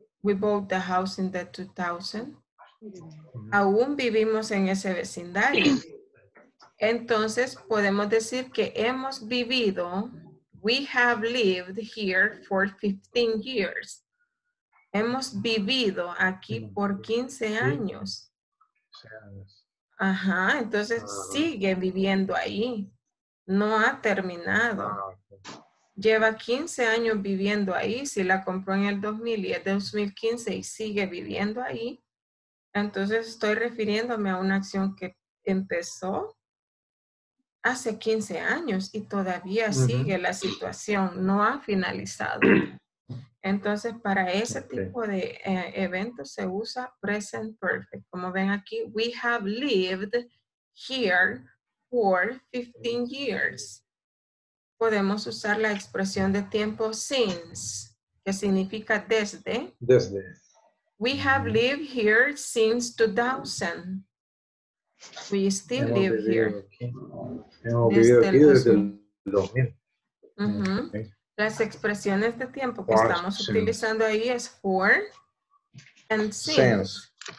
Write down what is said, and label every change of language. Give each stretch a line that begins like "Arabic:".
English: We bought the house in the 2000.
Spanish: Aún vivimos en ese vecindario. Entonces, podemos decir que hemos vivido,
English: we have lived here for 15 years.
Spanish: Hemos vivido aquí por 15 años. Ajá, entonces sigue viviendo ahí. No ha terminado. Lleva 15 años viviendo ahí. Si la compró en el 2000 y es de 2015 y sigue viviendo ahí, entonces estoy refiriéndome a una acción que empezó hace 15 años y todavía sigue la situación, no ha finalizado. Entonces, para ese tipo de eventos se usa present perfect. Como ven aquí,
English: we have lived here for 15 years.
Spanish: Podemos usar la expresión de tiempo since, que significa desde. Desde.
English: We have lived here since 2000. We still live here.
Spanish: Hemos vivido aquí desde el 2000. Las expresiones de tiempo que estamos utilizando ahí es for and since.